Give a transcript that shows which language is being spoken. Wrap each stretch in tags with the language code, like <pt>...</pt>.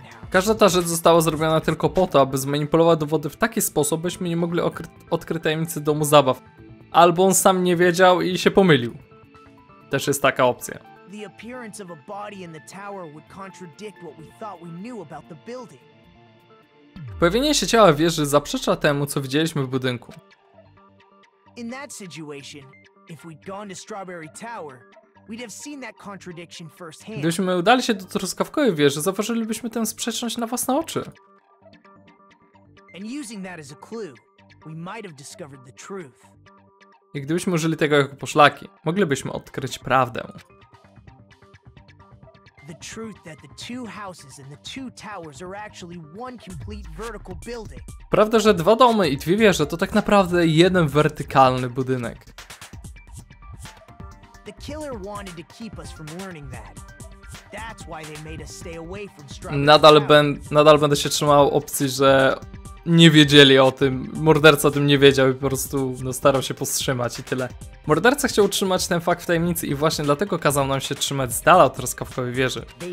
<pl>Każda ta rzecz została zrobiona tylko po to, aby zmanipulować dowody w taki sposób, byśmy nie mogli odkryć tajemnicy domu zabaw. Albo on sam nie wiedział i się pomylił. Też jest taka opcja.</pl> <en>The appearance of a body in the tower would contradict what we thought we knew about the building.</en> <pl>Pojawienie się ciała w wieży zaprzecza temu, co widzieliśmy w budynku.</pl> <en>In that situation, if we'd gone to Strawberry Tower, we'd have seen that contradiction firsthand.</en> <pl>Gdybyśmy udali się do truskawkowej wieży, zauważylibyśmy tę sprzeczność na własne oczy.</pl> <en>And using that as a clue, we might have discovered the truth.</en> <pl>I gdybyśmy użyli tego jako poszlaki, moglibyśmy odkryć prawdę.</pl> <en>The truth that the two houses and the two towers are actually one complete vertical building.</en> <pl>Prawda, że dwa domy i dwie wieże to tak naprawdę jeden wertykalny budynek.</pl> <en>The killer wanted to keep us from learning that. That's why they made us stay away from Strawberry.</en> <pl>Nadal będę się trzymał opcji, że nie wiedzieli o tym. Morderca o tym nie wiedział i po prostu no, starał się powstrzymać i tyle. Morderca chciał utrzymać ten fakt w tajemnicy i właśnie dlatego kazał nam się trzymać z dala od truskawkowej wieży.</pl>